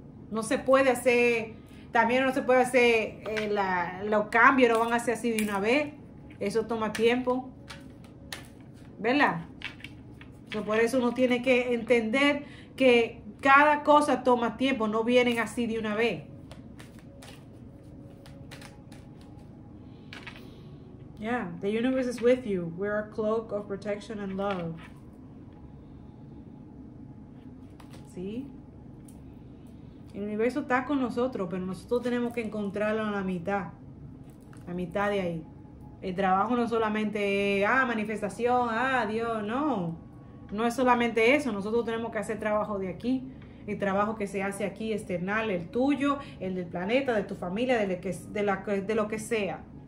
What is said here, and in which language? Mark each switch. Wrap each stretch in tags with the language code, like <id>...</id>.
<es>No se puede hacer, también no se puede hacer los cambios, no van a hacer así de una vez. Eso toma tiempo, ¿verdad? Entonces, por eso uno tiene que entender que cada cosa toma tiempo, no vienen así de una vez.</es> <en>Yeah, the universe is with you. We're a cloak of protection and love.</en> <es>¿Sí? El universo está con nosotros, pero nosotros tenemos que encontrarlo en la mitad. La mitad de ahí. El trabajo no solamente es, manifestación, Dios, no. No es solamente eso. Nosotros tenemos que hacer trabajo de aquí. El trabajo que se hace aquí, external, el tuyo, el del planeta, de tu familia, de lo que sea.</es>